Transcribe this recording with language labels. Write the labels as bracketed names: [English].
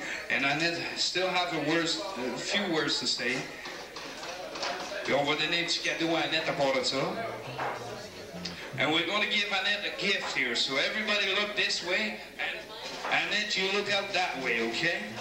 [English] And I still have a few words to say. [French] Puis on va donner un petit cadeau à Annette à part de ça. [English] And we're going to give Annette a gift here. So everybody look this way, and Annette, you look up that way, okay?